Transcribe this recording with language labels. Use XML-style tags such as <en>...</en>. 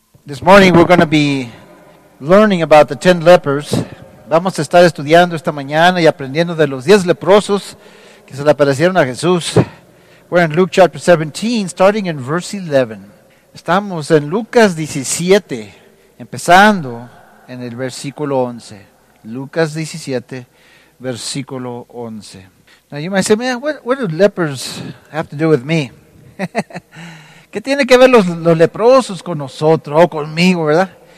<en>This morning we're going to be learning about the 10 lepers.</en> <es>Vamos a estar estudiando esta mañana y aprendiendo de los 10 leprosos que se le aparecieron a Jesús.</es> <en>We're in Luke chapter 17, starting in verse 11.</en> <es>Estamos en Lucas 17, empezando en el versículo 11. Lucas 17, versículo 11.</es> <en>Now you might say, man, what do lepers have to do with me?</en> <es>¿Qué tiene que ver los leprosos con nosotros o conmigo, verdad?</es>